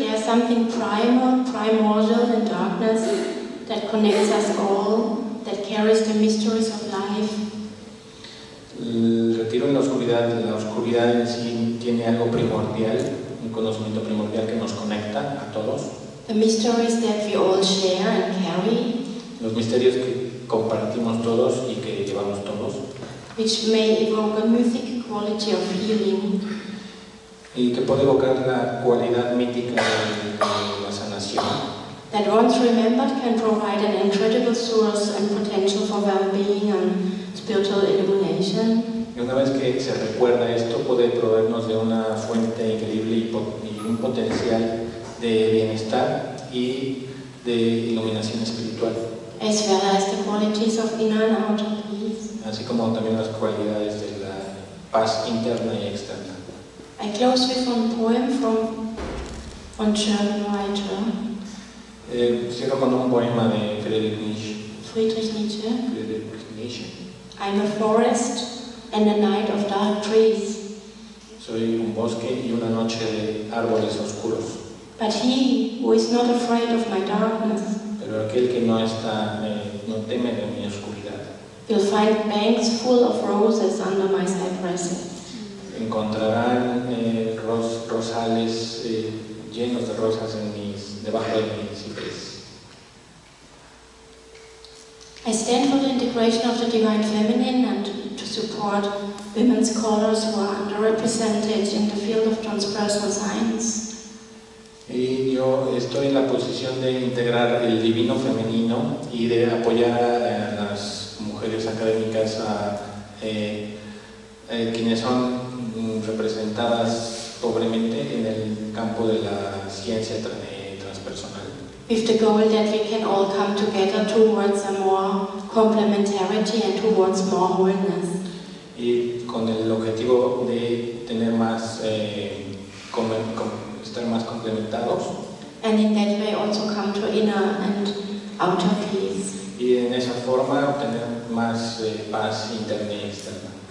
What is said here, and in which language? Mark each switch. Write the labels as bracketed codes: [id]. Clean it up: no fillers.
[en] There is something primordial in darkness that connects us all, that carries the mysteries of life. [es] El retiro en la oscuridad en sí tiene algo primordial, un conocimiento primordial que nos conecta a todos. [en] The mysteries that we all share and carry. [es] Los misterios que compartimos todos y que llevamos todos. [en] Which may evoke a mythic quality of healing. [es] Y que puede evocar la cualidad mítica de la sanación. [en] That once remembered can provide an incredible source and potential for well-being and spiritual illumination. [es] Y una vez que se recuerda esto, puede proveernos de una fuente increíble y un potencial de bienestar y de iluminación espiritual. [en] As well as the qualities of inner and outer peace. [es] Así como también las cualidades de la paz interna y externa. [en] I close with a poem from a German writer. [es] Cierro con un poema de Friedrich Nietzsche. Friedrich Nietzsche. Friedrich Nietzsche. [en] I'm a forest and a night of dark trees. [es] Soy un bosque y una noche de árboles oscuros. [en] But he who is not afraid of my darkness. [es] Pero aquel que no está no teme de mi oscuridad. [en] Will find banks full of roses under my cypresses. [es] Encontrarán rosales llenos de rosas en mis debajo de mis cipreses. [en] I stand for the integration of the divine feminine and to support women scholars who are underrepresented in the field of transpersonal science. [es] Y yo estoy en la posición de integrar el divino femenino y de apoyar a las mujeres académicas quienes son representadas pobremente en el campo de la ciencia transpersonal. [en] With the goal that we can all come together towards a more complementarity and towards more wholeness. [es] Y con el objetivo de tener más estar más complementados. [en] And in that way also come to inner and outer peace. [es] Y en esa forma obtener más paz interna y externa.